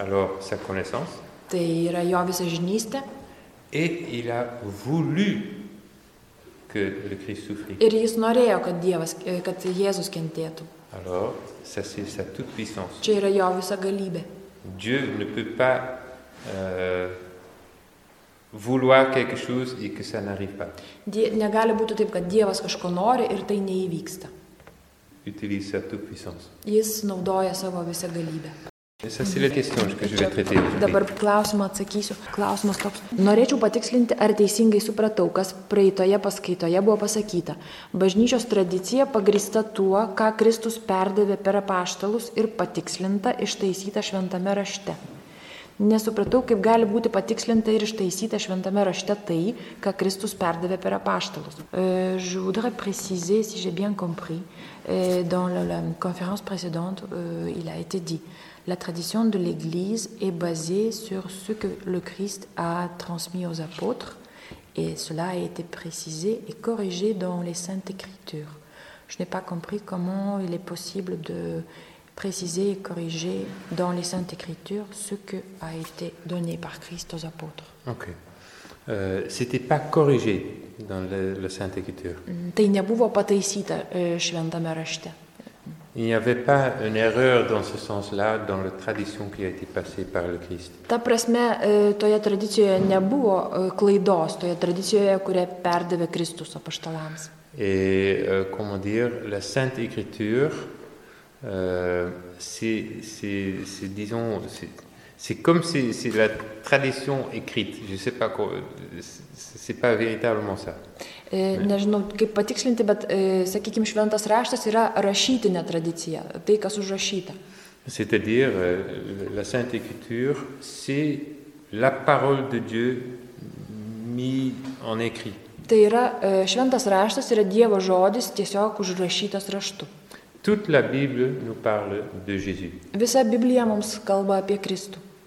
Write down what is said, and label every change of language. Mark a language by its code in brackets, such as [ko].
[fr] Alors, sa connaissance. [lt] Tai yra jo visažinystė. [fr] Et il a voulu que le Christ souffre. [lt] Ir jis norėjo, kad Dievas, kad Jėzus kentėtų. [fr] Alors, ça c'est sa toute puissance. [lt] Čia yra jo visa galybė. [fr] Dieu ne peut pas vouloir quelque chose et que ça n'arrive pas. [lt] Negali būti taip, kad Dievas kažko nori ir tai neįvyksta. [fr] Utilise sa toute puissance. [lt] Jis naudoja savo visą galybę. [fr] Ça c'est la question que je vais traiter. [lt] Dabar klausimą atsakysiu. Klausimas toks. Norėčiau patikslinti, ar teisingai supratau, kas praeitoje paskaitoje buvo pasakyta. Bažnyčios tradicija pagrįsta tuo, ką Kristus perdavė per apaštalus ir patikslinta, ištaisyta šventame rašte. Nesupratau, kaip gali būti patikslinta ir ištaisyta šventame rašte tai, ką Kristus perdavė per apaštalus. [fr] Je voudrais préciser, si j'ai bien compris, dans la conférence précédente, il a été dit. La tradition de l'Église est basée sur ce que le Christ a transmis aux apôtres et cela a été précisé et corrigé dans les Saintes Écritures. Je n'ai pas compris comment il est possible de préciser et corriger dans les Saintes Écritures ce que a été donné par Christ aux apôtres. Ok. C'était pas corrigé dans les Saintes Écritures. [lt] Tai nebuvo pataisyta šventame rašte. [fr] Il n'y avait pas une erreur dans ce sens-là dans la tradition qui a été passée par le Christ. [lt] Ta prasme, toje tradicijoje nebuvo klaidos, toje tradicijoje, kurią perdavė Kristus apaštalams. [fr] Et comment dire, la Sainte Écriture, c'est disons, c'est comme si c'est la tradition écrite. Je sais pas quoi, c'est pas véritablement ça. [lt] Nežinau, kaip patikslinti, bet sakykime, šventas raštas yra rašytinė tradicija, tai kas užrašyta. [fr] C'est-à-dire la Sainte Écriture, c'est la parole de Dieu mis en écrit. [lt] Tai yra šventas raštas yra Dievo žodis tiesiog užrašytas raštu. [fr] Toute la Bible nous parle de Jésus. [lt] Visa Biblija mums kalba apie Kristų.